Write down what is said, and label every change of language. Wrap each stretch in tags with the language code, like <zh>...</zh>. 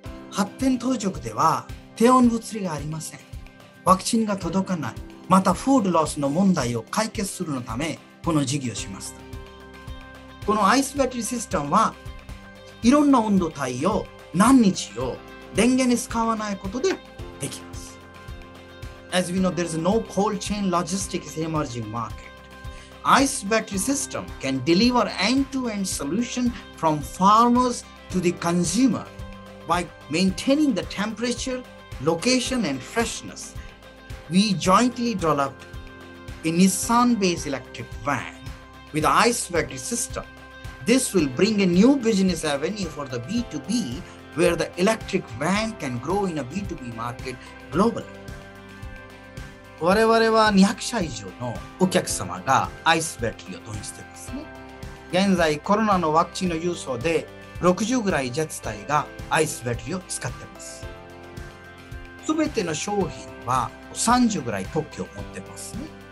<ja>発展途上国では低温物流がありません。ワクチンが届かない、またフードロスの問題を解決するのためこの事業をしました。このアイスバッテリーシステムはいろんな温度帯を何日を電源に使わないことでできます。</ja> <en>As we know, there is no cold chain logistics emerging market. Ice battery system can deliver end-to-end solution from farmers to the consumer by maintaining the temperature, location and freshness. We jointly developed a Nissan-based electric van with the ice battery system. This will bring a new business avenue for the B2B,where the electric van can grow in a B2B market globally.</en> <ja>我々は200社以上のお客様がアイスバッテリーを導入していますね。現在コロナのワクチンの輸送で60ぐらい自治体がアイスバッテリーを使っています。全ての商品は30ぐらい特許を持ってますね。</ja>